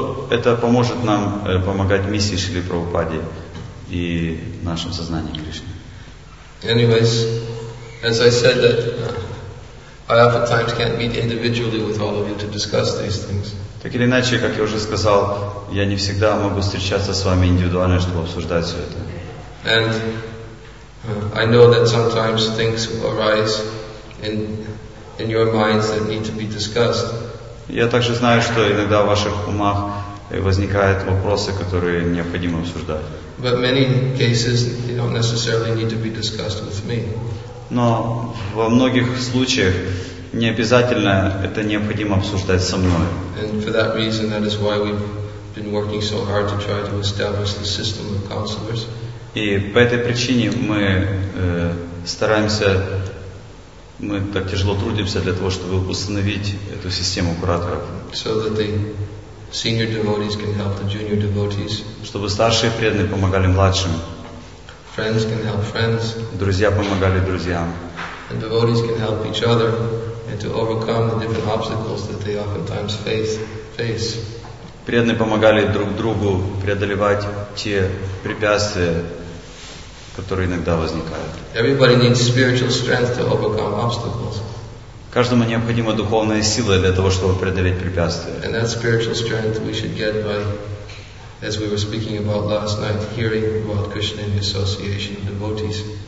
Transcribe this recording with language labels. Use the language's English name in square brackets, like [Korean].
[Russian] Это поможет нам помогать миссии Шрилы Прабхупады и нашем сознании Кришны. [English] Anyways, as I said that I oftentimes can't meet individually with all of you to discuss these things. [Russian] Так или иначе, как я уже сказал, я не всегда могу встречаться с вами индивидуально, чтобы обсуждать все это. [English] And I know that sometimes things will arise in your minds that need to be discussed. [Russian] Я также знаю, что иногда в ваших умах возникают вопросы, которые необходимо обсуждать. [English] But many cases they don't necessarily need to be discussed with me. [Russian] Но во многих случаях не обязательно это необходимо обсуждать со мной. [English] And for that reason, that is why we've been working so hard to try to establish the system of counselors. [Russian] И по этой причине мы стараемся, мы так тяжело трудимся для того, чтобы установить эту систему кураторов. [English] So that the senior devotees can help the junior devotees. [Russian] Чтобы старшие преданные помогали младшим. [English] Friends can help friends. [Russian] Друзья помогали друзьям. [English] And devotees can help each other and to overcome the different obstacles that they oftentimes face. [Russian] Преданные помогали друг другу преодолевать те препятствия, которые иногда возникают. [English] Everybody needs spiritual strength to overcome obstacles. [Russian] Каждому необходима духовная сила для того, чтобы преодолеть препятствия. [English] And that spiritual strength we should get by, as we were speaking about last night, hearing about Krishna and the association of devotees.